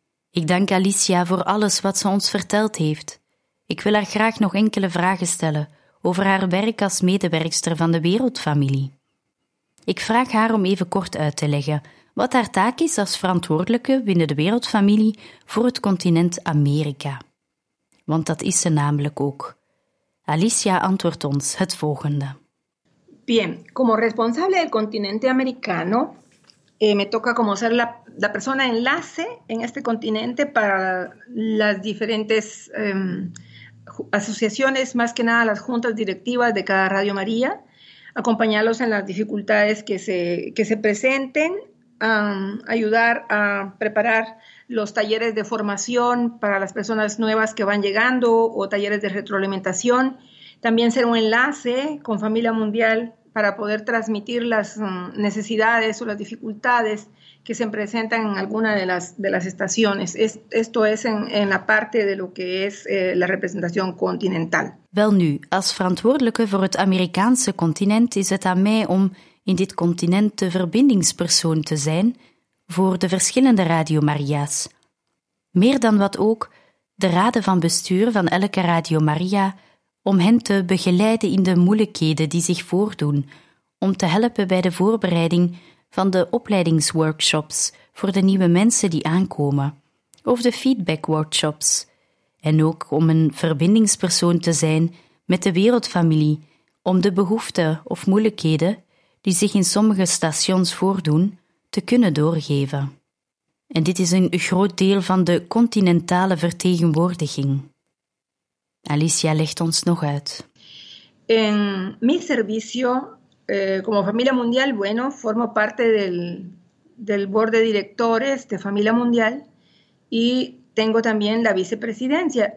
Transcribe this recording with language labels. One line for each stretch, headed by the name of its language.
Dutch: Ik dank Alicia voor alles wat ze ons verteld heeft. Ik wil haar graag nog enkele vragen stellen over haar werk als medewerkster van de Wereldfamilie. Ik vraag haar om even kort uit te leggen wat haar taak is als verantwoordelijke binnen de Wereldfamilie voor het continent Amerika. Want dat is ze namelijk ook. Alicia antwoordt ons het volgende.
Spanish: Bien, como responsable del continente americano, me toca como ser la persona enlace en este continente para las diferentes asociaciones, más que nada las juntas directivas de cada Radio María, acompañarlos en las dificultades que se presenten, ayudar a preparar los talleres de formación para las personas nuevas que van llegando o talleres de retroalimentación. también ser un enlace con Familia Mundial para poder transmitir las necesidades o las dificultades que se presentan en alguna de las estaciones. Esto es en la parte de lo que es la representación continental.
Dutch: Welnu, als verantwoordelijke voor het Amerikaanse continent is het aan mij om in dit continent de verbindingspersoon te zijn voor de verschillende Radio Maria's. Meer dan wat ook, de raden van bestuur van elke Radio Maria om hen te begeleiden in de moeilijkheden die zich voordoen, om te helpen bij de voorbereiding van de opleidingsworkshops voor de nieuwe mensen die aankomen, of de feedbackworkshops, en ook om een verbindingspersoon te zijn met de wereldfamilie, om de behoeften of moeilijkheden die zich in sommige stations voordoen, te kunnen doorgeven. En dit is een groot deel van de continentale vertegenwoordiging. Alicia legt ons nog uit.
Spanish: En mi servicio como Familia Mundial, bueno, formo parte del board de directores de Familia Mundial y tengo también la vicepresidencia.